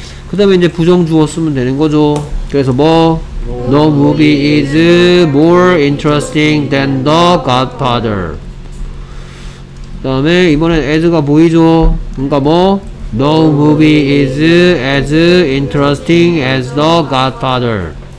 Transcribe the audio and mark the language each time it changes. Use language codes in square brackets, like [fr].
[ko] 그 다음에 이제 부정 주어 쓰면 되는 거죠. 그래서 뭐? [en] No movie is more interesting than The Godfather. [ko] 그 다음에 이번엔 as가 보이죠? 그러니까 뭐? [en] No movie is as interesting as The Godfather.